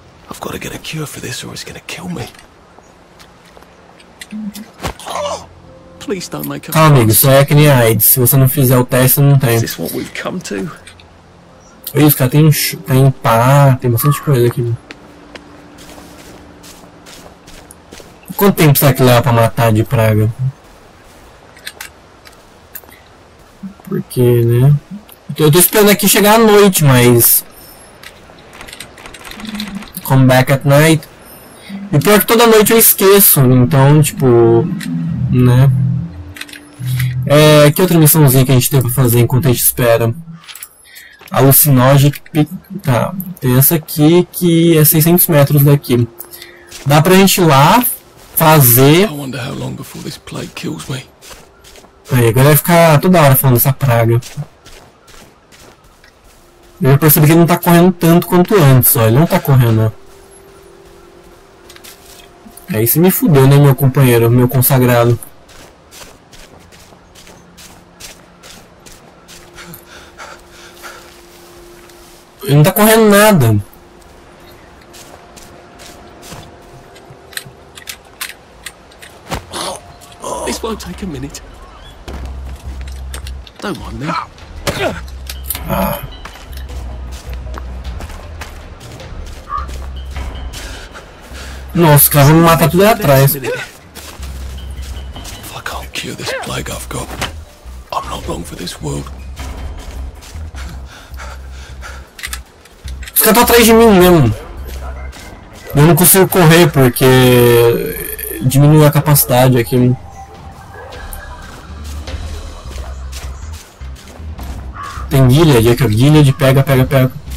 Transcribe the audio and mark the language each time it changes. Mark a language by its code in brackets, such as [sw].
[en] I've got to get a cure for this or it's gonna kill me. Please don't make a... [pt] Ah, amigo, isso é que nem AIDS. Se você não fizer o teste, não tem. [en] Is this what we've come to? [pt] Olha isso, cara, tem um pá, tem bastante coisa aqui. Quanto tempo será que leva pra matar de praga? Porque, né? Eu tô esperando aqui chegar à noite, mas... [en] Come Back at Night. [pt] E pior que toda noite eu esqueço, então, tipo... Né? É, que outra missãozinha que a gente tem pra fazer enquanto a gente espera? Alucinogic, tá, tem essa aqui que é 600 metros daqui. Dá pra gente ir lá fazer. [en] I wonder how long before this plague kills me. [pt] Aí, agora vai ficar toda hora falando dessa praga. Eu percebi que ele não tá correndo tanto quanto antes, ó. Ele não tá correndo. Aí você me fudeu, né, meu companheiro, meu consagrado. Ele não tá correndo nada. [en] This won't take a minute. Don't mind me. [pt] Nossa, o cara vai me matar tudo aí atrás. [en] If I can't cure this plague I've got, I'm not long for this world. [pt] Os caras estão atrás de mim mesmo. Eu não consigo correr porque diminui a capacidade aqui. Tem Gilead, é que é Gilead, pega, pega, pega.